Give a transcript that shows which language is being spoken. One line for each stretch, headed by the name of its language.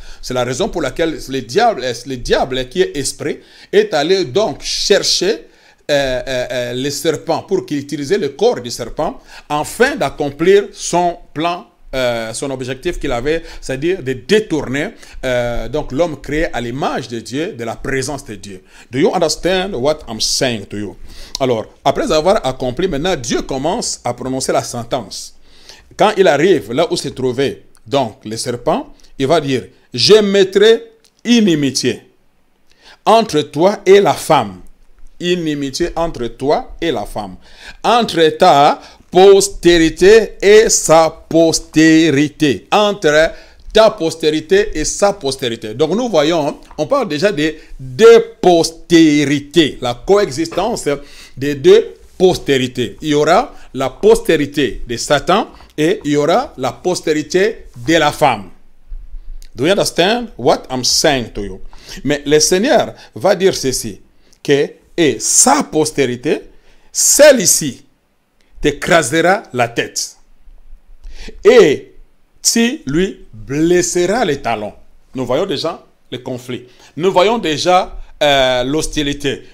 French: C'est la raison pour laquelle le diable qui est esprit est allé donc chercher les serpents pour qu'il utilise le corps du serpent afin d'accomplir son plan, son objectif qu'il avait, c'est-à-dire de détourner donc l'homme créé à l'image de Dieu, de la présence de Dieu.
English: Do you understand what I'm saying to you?
French: Alors, après avoir accompli, maintenant Dieu commence à prononcer la sentence. Quand il arrive là où se trouvait donc le serpent, il va dire, je mettrai inimitié entre toi et la femme. Inimitié entre toi et la femme. Entre ta postérité et sa postérité. Entre ta postérité et sa postérité. Donc nous voyons, on parle déjà de deux postérités. La coexistence des deux postérités. Il y aura la postérité de Satan et il y aura la postérité de la femme.
English: Do you understand what I'm saying to you?
French: Mais le Seigneur va dire ceci, que et sa postérité, celle-ci, t'écrasera la tête. Et tu lui blesseras les talons. Nous voyons déjà le conflit. Nous voyons déjà l'hostilité.